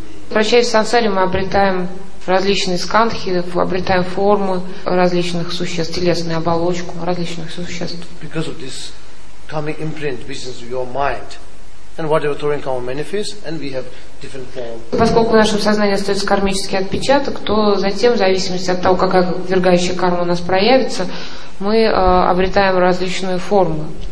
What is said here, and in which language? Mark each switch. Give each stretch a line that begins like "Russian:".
Russian: Прощаясь в сансаре, мы обретаем различные скандхи, обретаем формы различных существ, телесную оболочку различных существ.
English: Because of this coming imprint, which is your mind, and whatever throwing karma manifests, and we have different forms.
Russian: Поскольку в нашем сознании остается кармический отпечаток, то затем, в зависимости от того, какая ввергающая карма у нас проявится, мы обретаем различные формы.